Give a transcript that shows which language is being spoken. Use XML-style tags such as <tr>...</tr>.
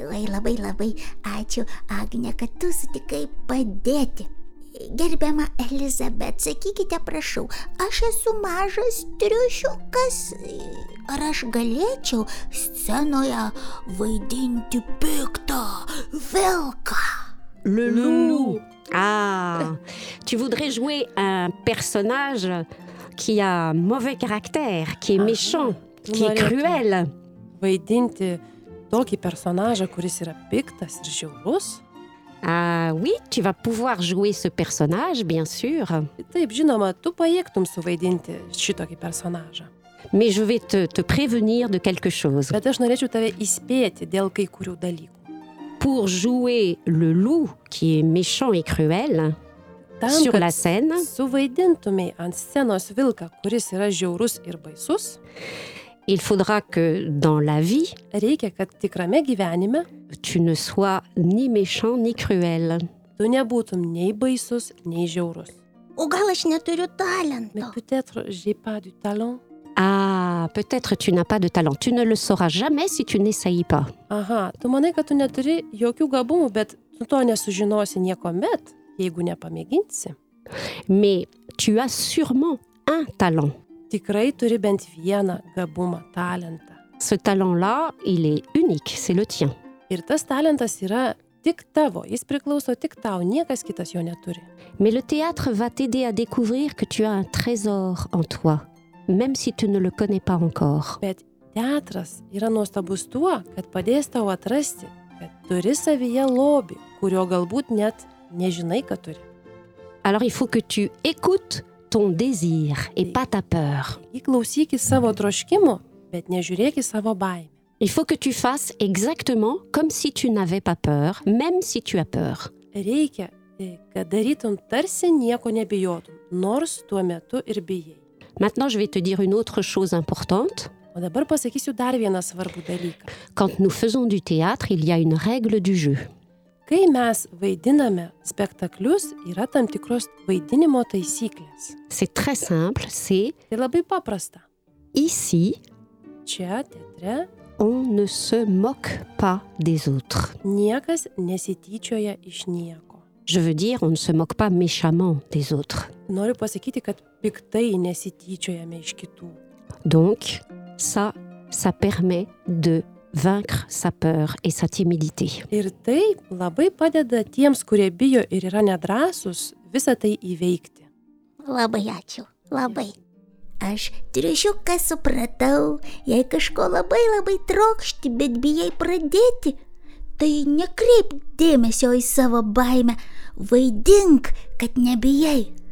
<lt>Labai ačiū, Agnė, kad tu sutikai padėti. Gerbiama Elizabet, sakykite, prašau, aš esu mažas triušiukas, ar aš galėčiau scenoje vaidinti piktą vilką?</lt> <fr>Le loup. Ah, tu voudrais jouer un personnage qui a mauvais caractère, qui est méchant, qui est cruel.</fr> <lt>Vaidinti tokį personažą, kuris yra piktas ir žiaurus?</lt> <fr>Ah oui, tu vas pouvoir jouer ce personnage, bien sûr.</fr> <lt>Taip, žinoma, tu pajėgtum suvaidinti šitokį personažą.</lt> <fr>Mais je vais te prévenir de quelque chose.</fr> <lt>Bet aš norėčiau tave įspėti dėl kai kurių dalykų.</lt> <fr>Pour jouer le loup qui est méchant et cruel</fr> <lt>tam,</lt> <fr>sur la scène,</fr> <lt>suvaidintumai ant scenos vilką, kuris yra žiaurus ir baisus,</lt> <fr>il faudra que dans la vie,</fr> <lt>reikia, kad tikrame gyvenime,</lt> <fr>tu ne sois ni méchant ni cruel.</fr> <lt>Tu nebūtum nei baisus, nei žiaurus. O gal aš neturiu talento?</lt> <fr>Mais peut-être j'ai pas du talent. Ah, peut-être tu n'as pas de talent. Tu ne le sauras jamais si tu n'essayes pas.</fr> <lt>Aha, tu manai, kad tu neturi jokių gabumų, bet tu to nesužinosi niekuomet, jeigu nepamėginsi.</lt> <fr>Mais tu as sûrement un talent.</fr> <lt>Tikrai turi bent vieną gabumą, talentą.</lt> <fr>Ce talent-là, il est unique, c'est le tien.</fr> <lt>Ir tas talentas yra tik tavo, jis priklauso tik tau, niekas kitas jo neturi.</lt> <fr>Mais le théâtre va t'aider à découvrir que tu as un trésor en toi, même si tu ne le connais pas encore.</fr> <lt>Bet teatras yra nuostabus tuo, kad padės tau atrasti, kad turi savyje lobį, kurio galbūt net nežinai, kad turi.</lt> <fr>Alors il faut que tu écoutes ton désir et pas ta peur.</fr> <lt>Klausyk savo troškimo, bet nežiūrėk į savo baimę.</lt> <fr>Il faut que tu fasses exactement comme si tu n'avais pas peur, même si tu as peur.</fr> <lt>Reikia, kad darytum tarsi nieko nebijotum, nors tuo metu ir bijai.</lt> <fr>Maintenant, je vais te dire une autre chose importante.</fr> <lt>O dabar pasakysiu dar vieną svarbų dalyką.</lt> <fr>Quand nous faisons du théâtre, il y a une règle du jeu.</fr> <lt>Kai mes vaidiname spektaklius, yra tam tikros vaidinimo taisyklės.</lt> <fr>C'est très simple, c'est...</fr> <lt>Tai labai paprasta.</lt> <fr>Ici,</fr> <lt>čia, teatre,</lt> <fr>on ne se moque pas des autres.</fr> <lt>Niekas nesityčioja iš nieko.</lt> <fr>Je veux dire, on ne se moque pas méchamment des autres.</fr> <lt>Noriu pasakyti, kad piktai nesityčiojame iš kitų.</lt> <fr>Donc, Ça, ça permet de vaincre sa peur et sa timidité.</fr> <lt>Ir tai labai padeda tiems, kurie bijo ir yra nedrąsus, visą tai įveikti. Labai ačiū, labai. Aš triušiuką supratau, jei kažko labai labai trokšti, bet bijai pradėti, tai nekreip dėmesio į savo baimę, vaidink, kad nebijai.</lt>